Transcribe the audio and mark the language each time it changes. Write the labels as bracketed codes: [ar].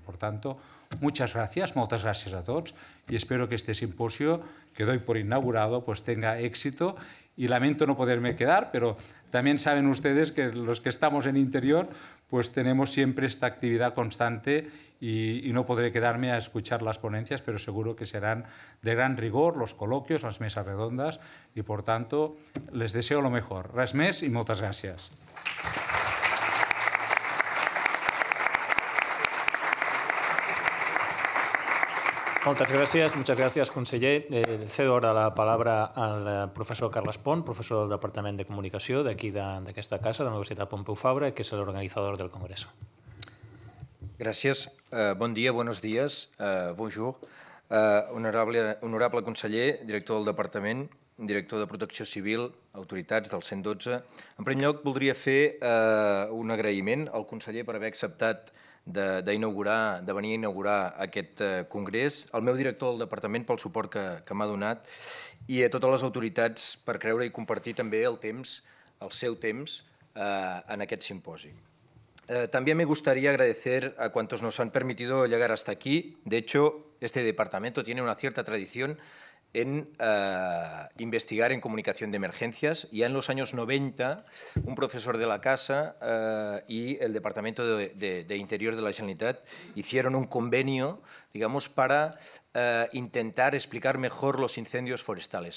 [es] Por tanto, muchas gracias a todos, y espero que este simposio, que doy por inaugurado, pues tenga éxito, y lamento no poderme quedar, pero también saben ustedes que los que estamos en Interior pues tenemos siempre esta actividad constante, y no podré quedarme a escuchar las ponencias, pero seguro que serán de gran rigor los coloquios, las mesas redondas, y por tanto les deseo lo mejor. [ca] Res més [es] y muchas gracias. Muchas gracias, conseller. [ca] Cedo ara la paraula al professor Carles Pont, professor del Departament de Comunicació d'aquí d'aquesta casa, de la Universitat Pompeu Fabra, que és l'organitzador del Congreso. Gràcies. Bon dia, [es] buenos días, [fr] bonjour. [ca] Honorable conseller, director del Departament, director de Protecció Civil, autoritats del 112, en primer lloc voldria fer un agraïment al conseller per haver acceptat de venir a inaugurar aquest congrés, al meu director del departament pel suport que m'ha donat, i a totes les autoritats per creure i compartir també el seu temps en aquest simposi. També m'agradaria [es] agradecer a quantos nos han permitido llegar hasta aquí. De hecho, este departamento tiene una cierta tradición en investigar en comunicación de emergencias. Ya en los años 90, un profesor de la casa y el Departamento de Interior de la Generalitat hicieron un convenio, digamos, para intentar explicar mejor los incendios forestales.